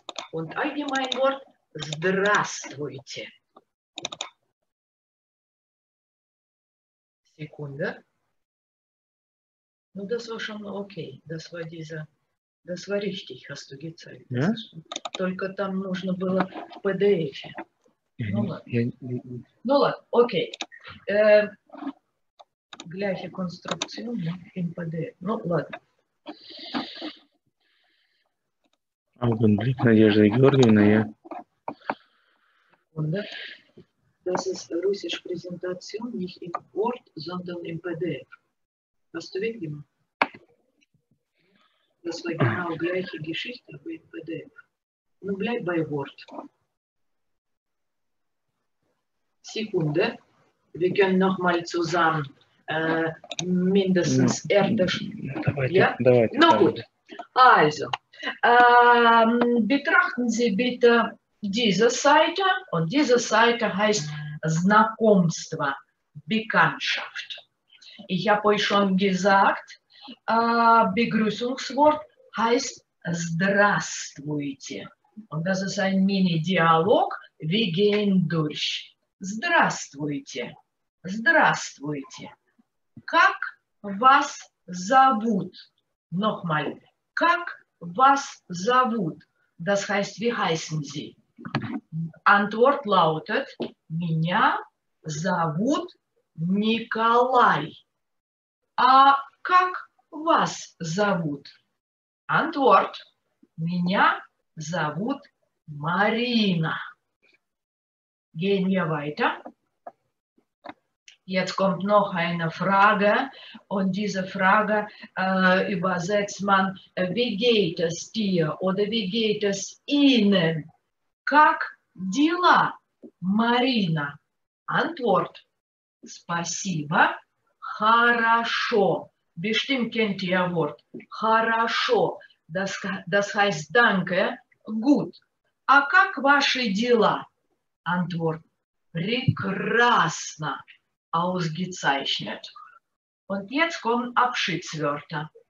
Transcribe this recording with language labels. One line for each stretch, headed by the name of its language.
German: Und allgemein Wort Здравствуйте. Sekunde. Ну, das war schon okay. Das war dieser, das war richtig, hast du gezeigt. Ja?
Russian: Только там нужно было PDF. Я ну ладно. Ну ладно, окей.
German: Gleiche Konstruktion im PDF.
Russian: Ну ладно.
German: Augenblick,
Russian: Надежда Георгиевна, я... Секунда.
German: Das ist russisch Präsentation, nicht im Word, sondern im PDF. Hast du
Russian: видим?
German: Das war genau gleiche Geschichte, aber im PDF. Ну, bleib bei Word. Sekunde. Wir können nochmal zusammen mindestens erdisch...
Russian: Давайте, ja? Давайте.
German: Ну, gut. Also, betrachten Sie bitte diese Seite. Und diese Seite heißt Знакомство, Bekanntschaft. Ich habe euch schon gesagt, Begrüßungswort heißt Здравствуйте. Und das ist ein Mini-Dialog. Wir gehen durch. Здравствуйте.
Russian: Здравствуйте. Как вас зовут?
German: Nochmal.
Russian: Как вас зовут?
German: Das heißt, wie heißen Sie? Antwort lautet,
Russian: меня зовут Николай. А как вас зовут?
German: Antwort,
Russian: меня зовут Марина.
German: Gehen wir weiter. Jetzt kommt noch eine Frage und diese Frage übersetzt man, wie geht es dir oder wie geht es Ihnen?
Russian: Как дела, Марина?
German: Antwort,
Russian: спасибо, хорошо.
German: Bestimmt kennt ihr Wort, хорошо. Das heißt, danke, gut.
Russian: А как ваши дела?
German: Antwort, прекрасно. Ausgezeichnet. Und jetzt kommen Abschiedswörter.